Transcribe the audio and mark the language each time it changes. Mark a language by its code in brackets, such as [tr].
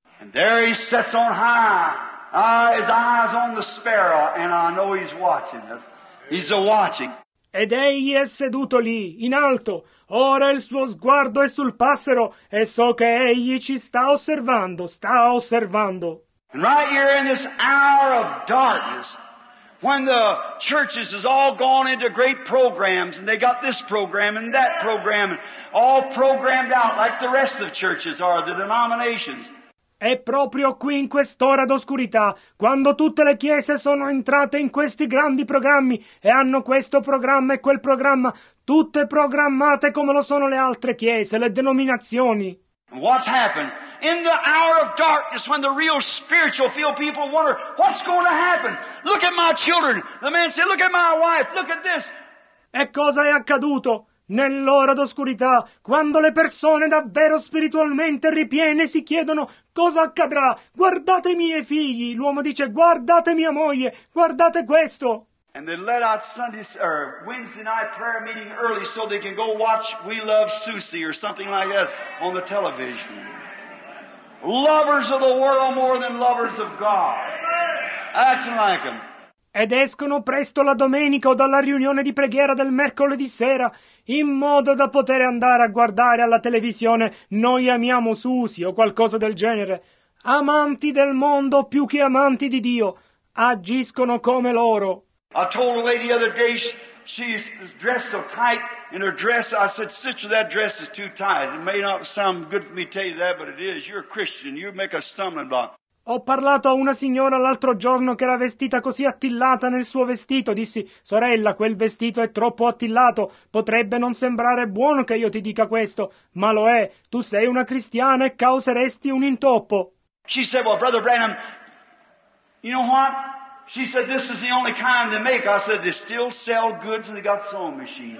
[en] And there he sits on high, his eyes on the sparrow, and I know he's watching us. He's a watching. [it] Ed egli è seduto lì, in alto. Ora il suo sguardo è sul passero e so che egli ci sta osservando, sta osservando. [en] And right here in this hour of darkness, when the churches has all gone into great programs, and they got this program and that program, and all programmed out like the rest of churches are, the denominations. [it] È proprio qui in quest'ora d'oscurità, quando tutte le chiese sono entrate in questi grandi programmi e hanno questo programma e quel programma, tutte programmate come lo sono le altre chiese, le denominazioni. [en] What's happened? In the hour of darkness, when the real spiritual field people wonder, what's going to happen? Look at my children. The man said, look at my wife, look at this. [it] E cosa è accaduto? Nell'ora d'oscurità, quando le persone davvero spiritualmente ripiene si chiedono cosa accadrà, guardate i miei figli, l'uomo dice guardate mia moglie, guardate questo. [en] And they let out Sunday or Wednesday night prayer meeting early so they can go watch We Love Susie or something like that on the television. Lovers of the world more than lovers of God. Acting like them. [it] Ed escono presto la domenica o dalla riunione di preghiera del mercoledì sera in modo da poter andare a guardare alla televisione Noi amiamo Susi o qualcosa del genere. Amanti del mondo più che amanti di Dio, agiscono come loro. [en] I told a lady the other day, she's dressed so tight in her dress. I said, sister, that dress is too tight. It may not sound good for me to tell you that, but it is. You're a Christian, you make a stumbling block. [it] Ho parlato a una signora l'altro giorno che era vestita così attillata nel suo vestito. Dissi, sorella, quel vestito è troppo attillato. Potrebbe non sembrare buono che io ti dica questo, ma lo è. Tu sei una cristiana e causeresti un intoppo. [en] She said, well, Brother Branham, you know what? She said, this is the only kind they make. I said, they still sell goods and they got sewing machines.